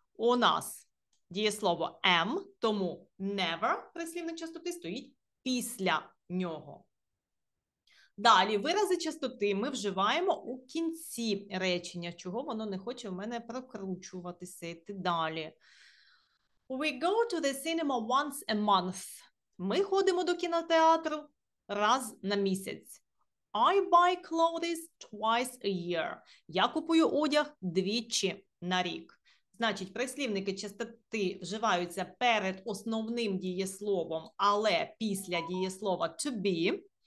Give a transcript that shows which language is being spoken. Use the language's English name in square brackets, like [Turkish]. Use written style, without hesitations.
[Ukrainian] У нас дієслово am, тому never, прислівник частоти, стоїть після нього. Далі, вирази частоти ми вживаємо у кінці речення. Чого воно не хоче в мене прокручуватися, йти далі. [English] We go to the cinema once a month. [Ukrainian] Ми ходимо до кінотеатру раз на місяць. [English] I buy clothes twice a year. [Ukrainian] Я купую одяг двічі на рік. Значить, прислівники частоти вживаються перед основним дієсловом, але після дієслова to be.